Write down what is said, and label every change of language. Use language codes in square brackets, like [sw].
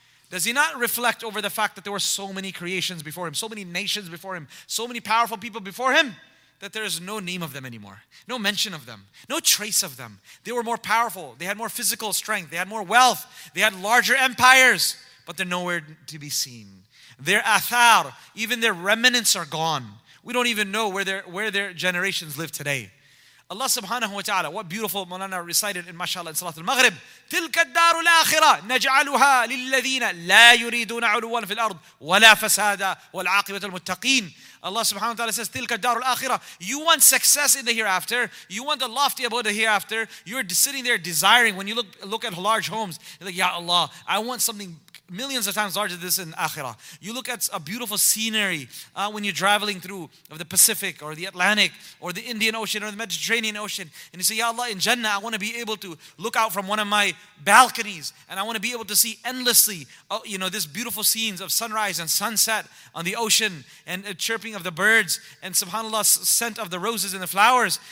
[en] Does he not reflect over the fact that there were so many creations before him, so many nations before him, so many powerful people before him, that there is no name of them anymore, no mention of them, no trace of them? They were more powerful, they had more physical strength, they had more wealth, they had larger empires, but they're nowhere to be seen. Their athar, even their remnants are gone. We don't even know where their generations live today. Allah subhanahu wa ta'ala, what beautiful Mawlana recited in mashallah in Salat al-Maghrib, [ar] تِلْكَ الدَّارُ الْآخِرَةِ نَجْعَلُهَا لِلَّذِينَ لَا يُرِيدُونَ عُلُوًا فِي الْأَرْضِ وَلَا فَسَادًا وَالْعَاقِبَةُ الْمُتَّقِينَ. [en] Allah subhanahu wa ta'ala says, [ar] تِلْكَ الدَّارُ الْآخِرَةِ. [en] You want success in the hereafter. You want the lofty abode of the hereafter. You're sitting there desiring, when you look at large homes, you're like, Ya Allah, I want something millions of times larger than this in Akhirah. You look at a beautiful scenery when you're traveling through of the Pacific or the Atlantic or the Indian Ocean or the Mediterranean Ocean, and you say, Ya Allah, in Jannah, I want to be able to look out from one of my balconies and I want to be able to see endlessly, this beautiful scenes of sunrise and sunset on the ocean and the chirping of the birds and subhanAllah's scent of the roses and the flowers.